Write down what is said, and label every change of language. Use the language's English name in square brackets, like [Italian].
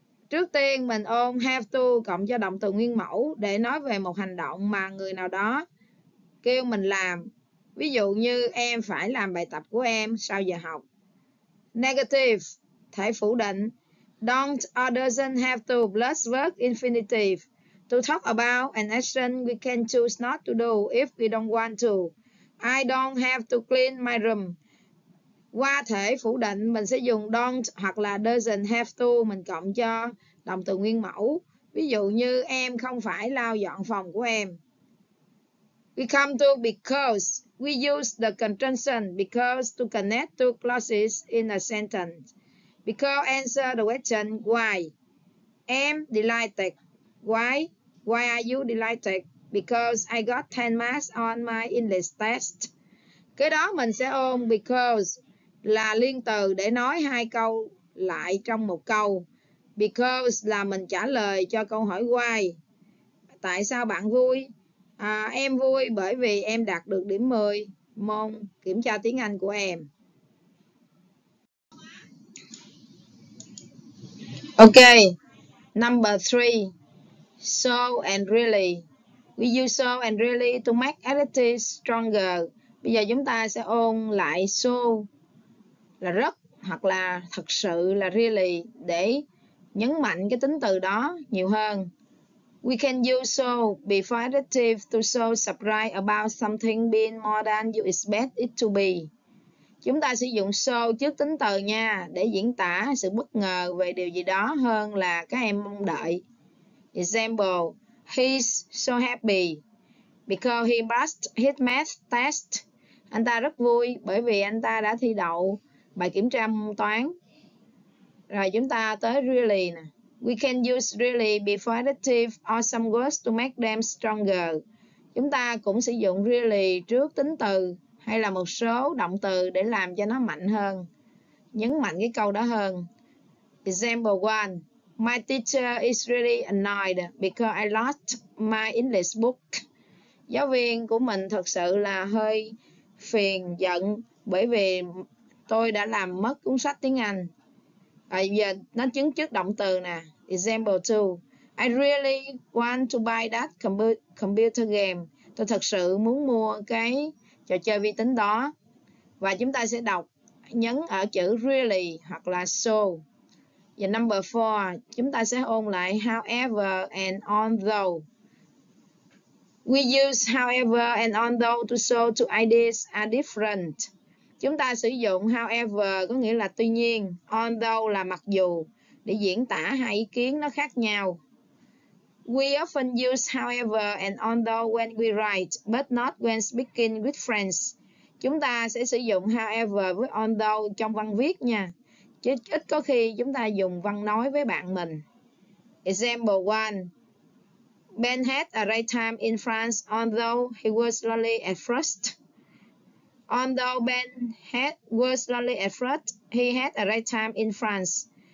[Vietnamese] Trước tiên mình ôn have to cộng cho động từ nguyên mẫu để nói về một hành động mà người nào đó kêu mình làm. Ví dụ như em phải làm bài tập của em sau giờ học. Negative, thể phủ định. [English] Don't or doesn't have to plus verb infinitive to talk about an action we can choose not to do if we don't want to. I don't have to clean my room. [Vietnamese] Qua thể phủ định, mình sẽ dùng don't hoặc là doesn't have to, mình cộng cho động từ nguyên mẫu. Ví dụ như em không phải lau dọn phòng của em. [English] We come to because. We use the conjunction because to connect two clauses in a sentence. Because answer the question why. Am delighted. Why? Why are you delighted? Because I got 10 marks on my English test. [Vietnamese] Cái đó mình sẽ ôm because. Là liên từ để nói hai câu lại trong một câu. Because là mình trả lời cho câu hỏi why. Tại sao bạn vui? À, em vui bởi vì em đạt được điểm 10 môn kiểm tra tiếng Anh của em. [English] Ok, number 3. So and really. We use so and really to make adjectives stronger. [Vietnamese] Bây giờ chúng ta sẽ ôn lại so. Là rất hoặc là thật sự là really để nhấn mạnh cái tính từ đó nhiều hơn. [English] We can use so before adjective to show surprise about something being more than you expect it to be. [Vietnamese] Chúng ta sử dụng so trước tính từ nha để diễn tả sự bất ngờ về điều gì đó hơn là các em mong đợi. [English] Example, he's so happy because he passed his math test. [Vietnamese] Anh ta rất vui bởi vì anh ta đã thi đậu bài kiểm tra môn toán. Rồi chúng ta tới really nè. [English] We can use really before adjective or some words to make them stronger. [Vietnamese] Chúng ta cũng sử dụng really trước tính từ hay là một số động từ để làm cho nó mạnh hơn. Nhấn mạnh cái câu đó hơn. Example 1. [English] My teacher is really annoyed because I lost my English book. [Vietnamese] Giáo viên của mình thật sự là hơi phiền, giận bởi vì tôi đã làm mất cuốn sách tiếng Anh. Bây giờ nó chứng trước động từ nè. [English] Example 2. I really want to buy that computer game. [Vietnamese] Tôi thật sự muốn mua cái trò chơi vi tính đó. Và chúng ta sẽ đọc nhấn ở chữ really hoặc là so. Và number 4. Chúng ta sẽ ôn lại however and although. [English] We use however and although to show two ideas are different. [Vietnamese] Chúng ta sử dụng however có nghĩa là tuy nhiên, although là mặc dù, để diễn tả hai ý kiến nó khác nhau. [English] We often use however and although when we write, but not when speaking with friends. [Vietnamese] Chúng ta sẽ sử dụng however với although trong văn viết nha. Chứ ít có khi chúng ta dùng văn nói với bạn mình. [English] Example 1. Ben had a great time in France, although he was lonely at first. Although Ben was lonely at first, he had a great time in France.